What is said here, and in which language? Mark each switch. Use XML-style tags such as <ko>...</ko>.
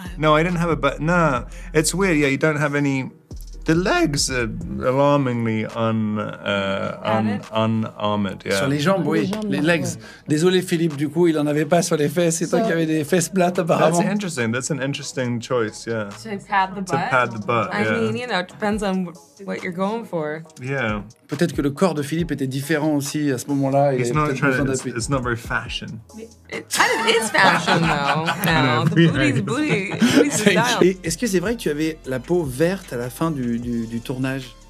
<en>No, I didn't have a butt. No, it's weird. Yeah, you don't have any. The legs are alarmingly unarmored. Yeah.</en> <fr>Sur les jambes, oui. Les legs. Désolé, Philippe, du coup, il en avait pas sur les fesses. C'est toi qui avais des fesses plates, apparemment.</fr> <en>That's interesting. That's an interesting choice, yeah. To pad the butt. To pad the butt, yeah. I mean, you know, it depends on what you're going for. Yeah.</en> <fr>Peut-être que le corps de Philippe était différent aussi à ce moment-là.</fr> <en>It's not very fashion. It is fashion, though. No, the booty is the style.</en> <fr>Est-ce que c'est vrai que tu avais la peau verte à la fin du tournage?</fr>